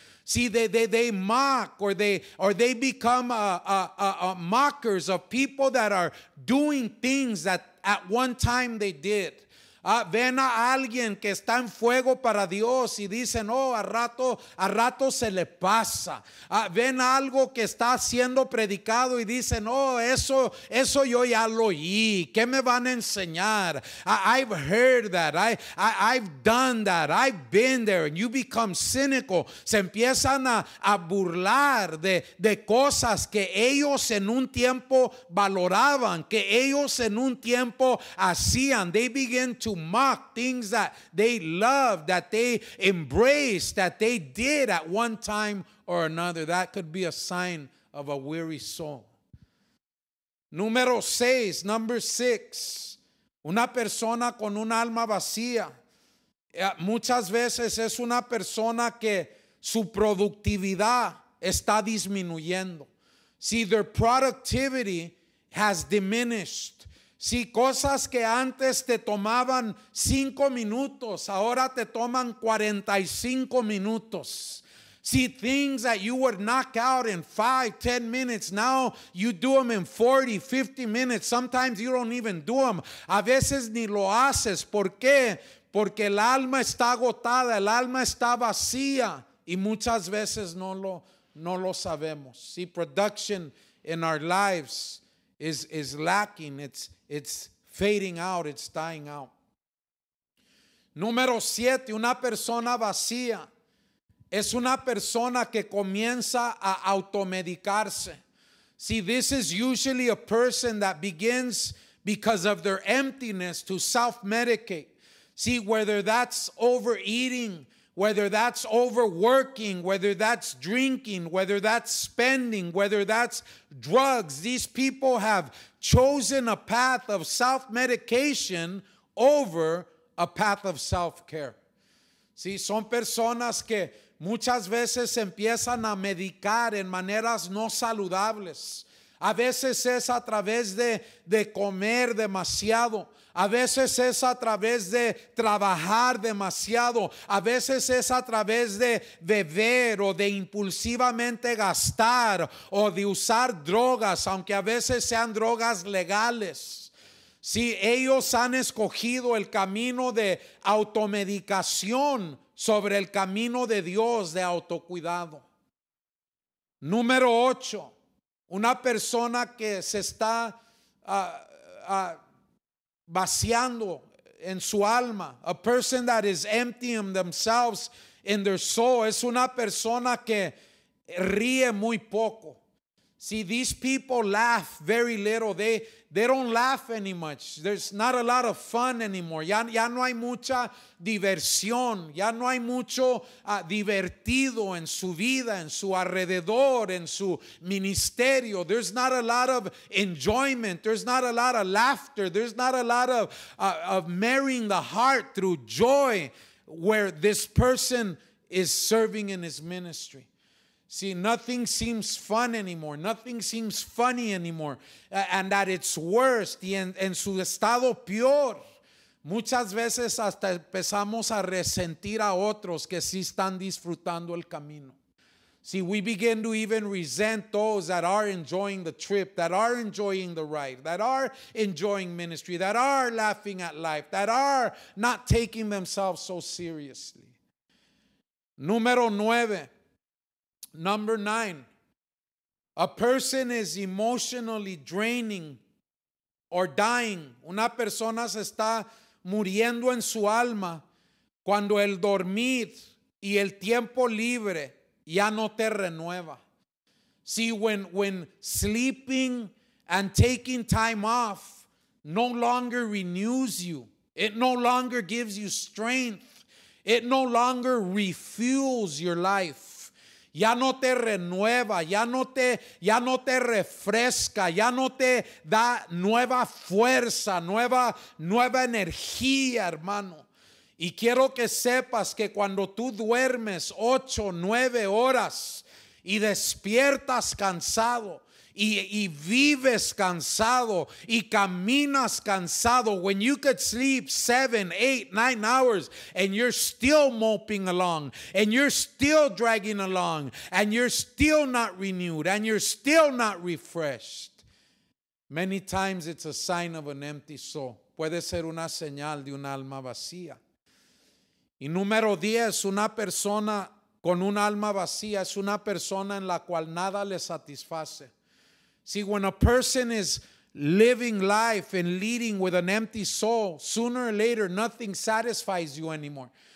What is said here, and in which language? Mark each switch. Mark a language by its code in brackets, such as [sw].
[en] See, they mock or they become a mockers of people that are doing things that at one time they did. [es] Ven a alguien que está en fuego para Dios y dicen, oh, a rato se le pasa. Ven algo que está siendo predicado y dicen, oh, eso yo ya lo oí. ¿Qué me van a enseñar? [en] I've heard that. I've done that. I've been there. And you become cynical. [es] Se empiezan a burlar de cosas que ellos en un tiempo valoraban, que ellos en un tiempo hacían. [en] They begin to mock things that they love, that they embrace, that they did at one time or another. That could be a sign of a weary soul. Number six, [es] una persona con un alma vacía muchas veces es una persona que su productividad está disminuyendo. [en] See, their productivity has diminished. [es] Si cosas que antes te tomaban 5 minutos, ahora te toman 45 minutos. [en] See, things that you would knock out in 5-10 minutes, now you do them in 40-50 minutes. Sometimes you don't even do them. [es] A veces ni lo haces. ¿Por qué? Porque el alma está agotada, el alma está vacía y muchas veces no lo sabemos. [en] See, production in our lives is lacking. It's fading out, it's dying out. [es] Número 7, una persona vacía es una persona que comienza a automedicarse. [en] See, this is usually a person that begins, because of their emptiness, to self-medicate. See, whether that's overeating, whether that's overworking, whether that's drinking, whether that's spending, whether that's drugs, these people have chosen a path of self-medication over a path of self-care. [es] See, son personas que muchas veces empiezan a medicar en maneras no saludables. A veces es a través de comer demasiado. A veces es a través de trabajar demasiado. A veces es a través de beber o de impulsivamente gastar o de usar drogas, aunque a veces sean drogas legales. Si ellos han escogido el camino de automedicación sobre el camino de Dios de autocuidado. Número 8. Una persona que se está vaciando en su alma. [en] A person that is emptying themselves in their soul. [es] Es una persona que ríe muy poco. [en] See, these people laugh very little. They don't laugh any much. There's not a lot of fun anymore. [es] Ya no hay mucha diversión. Ya no hay mucho divertido en su vida, en su alrededor, en su ministerio. [en] There's not a lot of enjoyment. There's not a lot of laughter. There's not a lot of marrying the heart through joy where this person is serving in his ministry. See, nothing seems fun anymore. Nothing seems funny anymore. And at its worst, [es] y en su estado peor, muchas veces hasta empezamos a resentir a otros que sí están disfrutando el camino. [en] See, we begin to even resent those that are enjoying the trip, that are enjoying the ride, that are enjoying ministry, that are laughing at life, that are not taking themselves so seriously. [es] Número 9. [en] Number 9, a person is emotionally draining or dying. [es] Una persona se está muriendo en su alma cuando el dormir y el tiempo libre ya no te renueva. [en] See, when sleeping and taking time off no longer renews you, it no longer gives you strength, it no longer refuels your life. [es] Ya no te renueva, ya no te refresca, ya no te da nueva fuerza, nueva energía, hermano. Y quiero que sepas que cuando tú duermes 8, 9 horas y despiertas cansado, y vives cansado, y caminas cansado, [en] when you could sleep 7, 8, 9 hours, and you're still moping along, and you're still dragging along, and you're still not renewed, and you're still not refreshed, many times it's a sign of an empty soul. [es] Puede ser una señal de un alma vacía. Y número 10, una persona con un alma vacía es una persona en la cual nada le satisface. [en] See, when a person is living life and leading with an empty soul, sooner or later, nothing satisfies you anymore.